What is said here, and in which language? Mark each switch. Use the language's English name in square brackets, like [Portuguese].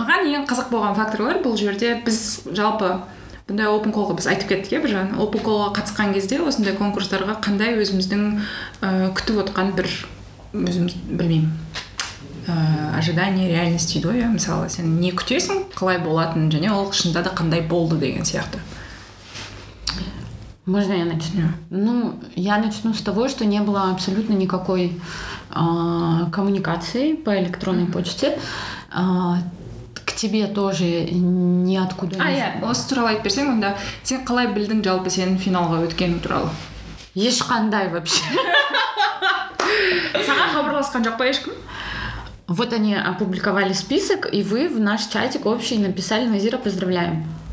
[Kazakh] Маған ең қызық болған факторлар бұл жерде, біз жалпы бұндай open call-ға, біз айтып кеттік, иә, бір жағынан open call-ға қатысқан кезде осындай конкурстарға қандай өзіміздің күтіп отқан бір, өзіміз білмеймін, [Russian] ожидание реальности [Kazakh] дейді, иә. Мысалы сен не күтесің, қалай болатынын, және ол шынында да қандай болды деген сияқты. [Russian] Можно я начну? Ну, я начну с того, что не было абсолютно никакой коммуникации по электронной почте. К тебе тоже ниоткуда не... [Kazakh] осы туралы айтып берсең, онда сен қалай білдің жалпы сенің финалға өткенің туралы? Ешқандай вообще. Саған хабарласқан жоқ па ешкім? [Russian] Вот они опубликовали список, и вы в наш чатик общий написали: «Назира, поздравляем».